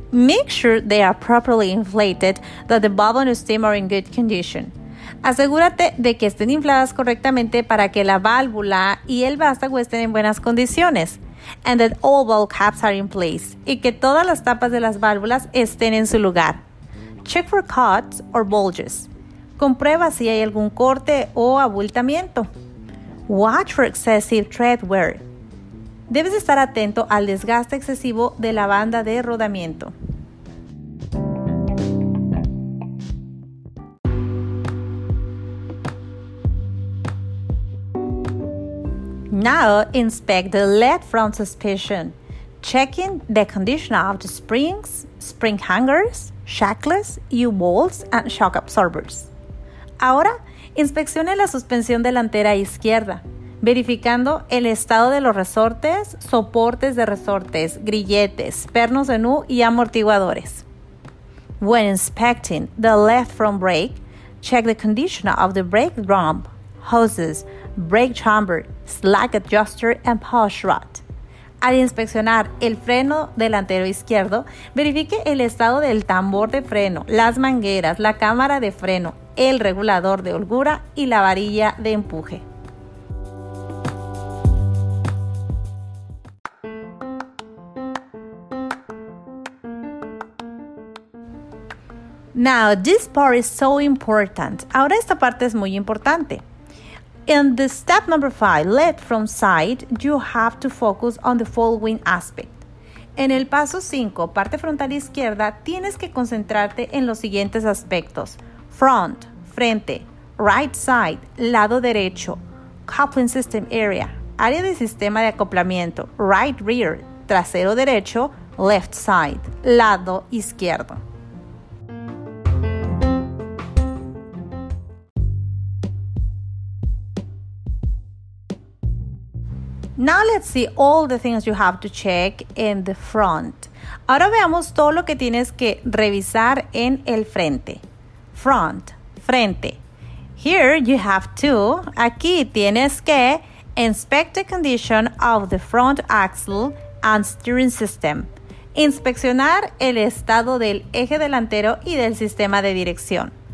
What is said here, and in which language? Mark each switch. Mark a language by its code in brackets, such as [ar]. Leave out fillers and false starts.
[en] Make sure they are properly inflated, that the bubble and stem are in good condition. [es] Asegúrate de que estén infladas correctamente para que la válvula y el vástago estén en buenas condiciones. [en] And that all valve caps are in place. [es] Y que todas las tapas de las válvulas estén en su lugar. [en] Check for cuts or bulges. [es] Comprueba si hay algún corte o abultamiento. [en] Watch for excessive tread wear. [es] Debes estar atento al desgaste excesivo de la banda de rodamiento. [en] Now inspect the left front suspension, checking the condition of the springs, spring hangers, shackles, U-bolts, and shock absorbers. [es] Ahora, inspeccione la suspensión delantera izquierda, verificando el estado de los resortes, soportes de resortes, grilletes, pernos en U y amortiguadores. [en] When inspecting the left front brake, check the condition of the brake drum, hoses, brake chamber, slack adjuster and push rod. [es] Al inspeccionar el freno delantero izquierdo, verifique el estado del tambor de freno, las mangueras, la cámara de freno, el regulador de holgura y la varilla de empuje. [en] Now, this part is so important. [es] Ahora esta parte es muy importante. [en] In the step number 5, lead from side, you have to focus on the following aspect. [es] En el paso 5, parte frontal izquierda, tienes que concentrarte en los siguientes aspectos. Front, frente, right side, lado derecho, coupling system area, área de sistema de acoplamiento, right rear, trasero derecho, left side, lado izquierdo. [en] Now let's see all the things you have to check in the front. [es] Ahora veamos todo lo que tienes que revisar en el frente. [en] Front, frente. Here you have to, [es] aquí tienes que, [en] inspect the condition of the front axle and steering system. [es] Inspeccionar el estado del eje delantero y del sistema de dirección.